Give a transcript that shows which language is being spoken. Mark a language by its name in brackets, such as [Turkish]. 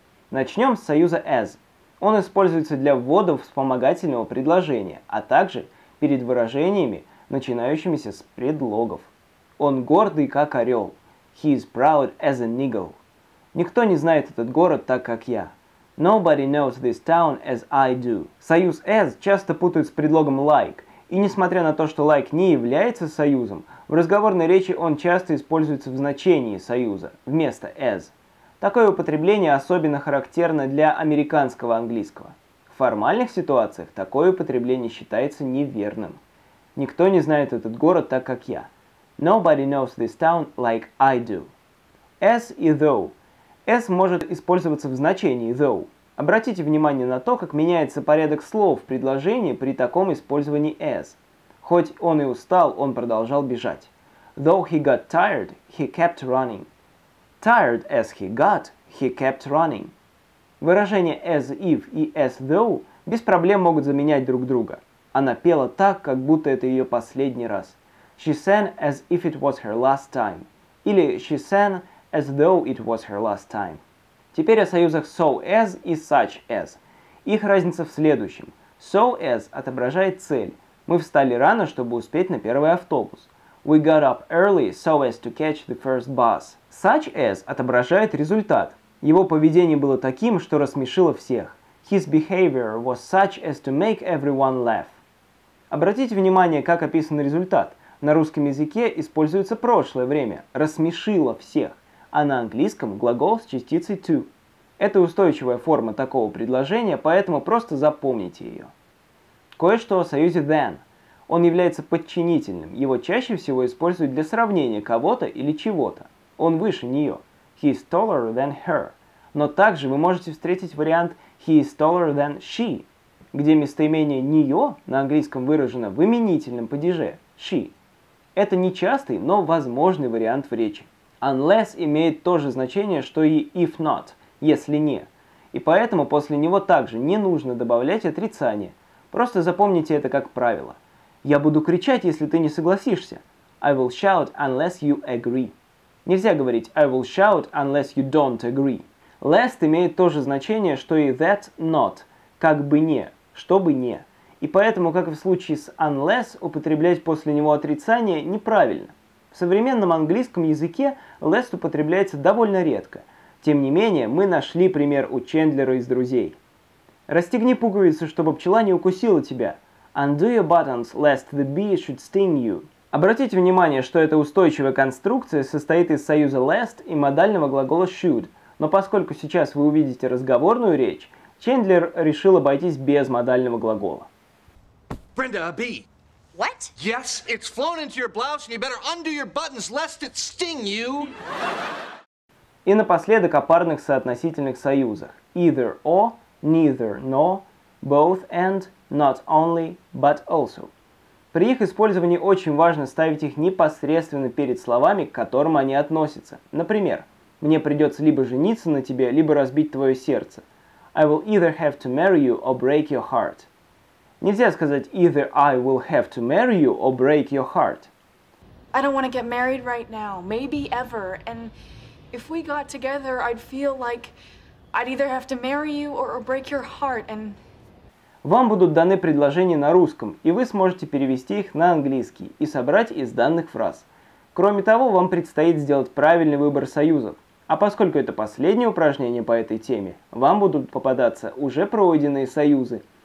[Russian] Начнем с союза as. Он используется для ввода вспомогательного предложения, а также перед выражениями, начинающимися с предлогов. Он гордый, как орел. [English] He is proud as an eagle. [Russian] Никто не знает этот город так, как я. [English] Nobody knows this town as I do. [Russian] Союз as часто путают с предлогом like, и несмотря на то, что like не является союзом, в разговорной речи он часто используется в значении союза, вместо as. Такое употребление особенно характерно для американского английского. В формальных ситуациях такое употребление считается неверным. Никто не знает этот город так, как я. [English] Nobody knows this town like I do. As и though. [Russian] As может использоваться в значении though. Обратите внимание на то, как меняется порядок слов в предложении при таком использовании as. Хоть он и устал, он продолжал бежать. [English] Though he got tired, he kept running. Tired as he got, he kept running. [Russian] Выражения as if и as though без проблем могут заменять друг друга. Она пела так, как будто это ее последний раз. [English] She sang as if it was her last time. [Russian] Или [English] she sang as though it was her last time. [Russian] Теперь о союзах so as и such as. Их разница в следующем. So as отображает цель. Мы встали рано, чтобы успеть на первый автобус. [English] We got up early so as to catch the first bus. [Russian] Such as отображает результат. Его поведение было таким, что рассмешило всех. [English] His behavior was such as to make everyone laugh. [Russian] Обратите внимание, как описан результат. На русском языке используется прошлое время. Рассмешило всех. А на английском глагол с частицей to. Это устойчивая форма такого предложения, поэтому просто запомните ее. Кое-что о союзе than. Он является подчинительным. Его чаще всего используют для сравнения кого-то или чего-то. Он выше нее. [English] He is taller than her. [Russian] Но также вы можете встретить вариант [English] he is taller than she, [Russian] где местоимение нее на английском выражено в именительном падеже she. Это нечастый, но возможный вариант в речи. Unless имеет то же значение, что и if not, если не. И поэтому после него также не нужно добавлять отрицание. Просто запомните это как правило. Я буду кричать, если ты не согласишься. [English] I will shout unless you agree. [Russian] Нельзя говорить [English] I will shout unless you don't agree. [Russian] Last имеет то же значение, что и that not, как бы не, чтобы не. И поэтому, как и в случае с unless, употреблять после него отрицание неправильно. В современном английском языке last употребляется довольно редко. Тем не менее, мы нашли пример у Чендлера из «Друзей». Расстегни пуговицу, чтобы пчела не укусила тебя. [English] Undo your buttons, lest the bee should sting you. [Russian] Обратите внимание, что эта устойчивая конструкция состоит из союза last и модального глагола should. Но поскольку сейчас вы увидите разговорную речь, Чендлер решил обойтись без модального глагола. [English] Brenda, a bee. What? Yes, it's flown into your blouse, and you better undo your buttons, lest it sting you. [Russian] И напоследок о парных соотносительных союзах. [English] Either or, neither nor, both and, not only, but also. [Russian] При их использовании очень важно ставить их непосредственно перед словами, к которым они относятся. Например, мне придется либо жениться на тебе, либо разбить твое сердце. [English] I will either have to marry you or break your heart. [Russian] Нельзя сказать [English] either I will have to marry you or break your heart. I don't want to get married right now, maybe ever. And if we got together, I'd feel like I'd either have to marry you or break your heart. And [Russian] вам будут даны предложения на русском, и вы сможете перевести их на английский и собрать из данных фраз. Кроме того, вам предстоит сделать правильный выбор союзов. А поскольку это последнее упражнение по этой теме, вам будут попадаться уже пройденные союзы.